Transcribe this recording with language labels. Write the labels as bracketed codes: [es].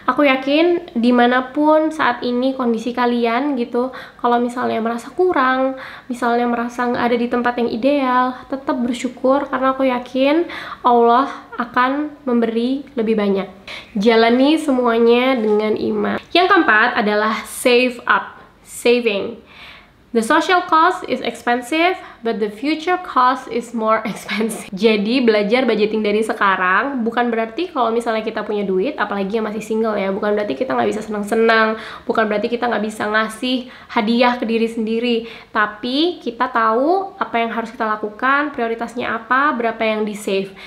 [id] Aku yakin, dimanapun saat ini kondisi kalian gitu, kalau misalnya merasa kurang, misalnya merasa gak ada di tempat yang ideal, tetap bersyukur, karena aku yakin Allah akan memberi lebih banyak. Jalani semuanya dengan iman. Yang keempat adalah save up, saving. [en] The social cost is expensive, but the future cost is more expensive. [id] Jadi belajar budgeting dari sekarang, bukan berarti kalau misalnya kita punya duit, apalagi yang masih single ya, bukan berarti kita nggak bisa senang-senang, bukan berarti kita nggak bisa ngasih hadiah ke diri sendiri, tapi kita tahu apa yang harus kita lakukan, prioritasnya apa, berapa yang di save.